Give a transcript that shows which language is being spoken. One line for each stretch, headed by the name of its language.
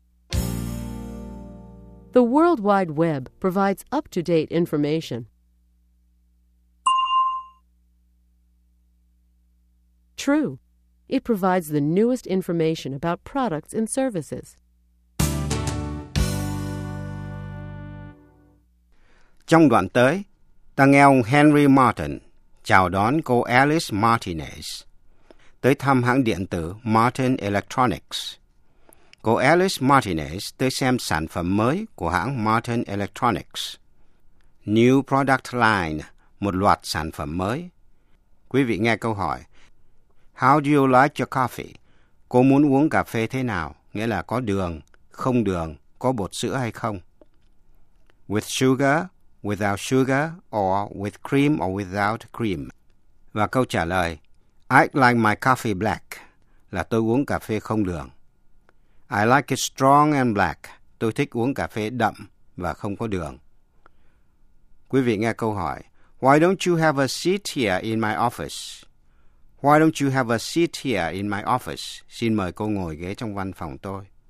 English: The World Wide Web provides up-to-date information. True. It provides the newest information about products and services.
Vietnamese: Trong đoạn tới, ta nghe ông Henry Martin chào đón cô Alice Martinez tới thăm hãng điện tử Martin Electronics. Cô Alice Martinez tới xem sản phẩm mới của hãng Martin Electronics.
English: New product line,
Vietnamese: một loạt sản phẩm mới. Quý vị nghe câu hỏi.
English: How do you like your coffee?
Vietnamese: Cô muốn uống cà phê thế nào? Nghĩa là có đường, không đường, có bột sữa hay không?
English: With sugar, without sugar, or with cream or without cream?
Vietnamese: Và câu trả lời,
English: I like my coffee black,
Vietnamese: là tôi uống cà phê không đường.
English: I like it strong and black,
Vietnamese: tôi thích uống cà phê đậm và không có đường. Quý vị nghe câu hỏi,
English: Why don't you have a seat here in my office? Why don't you have a seat here in my office?
Vietnamese: Xin mời cô ngồi ghế trong văn phòng tôi.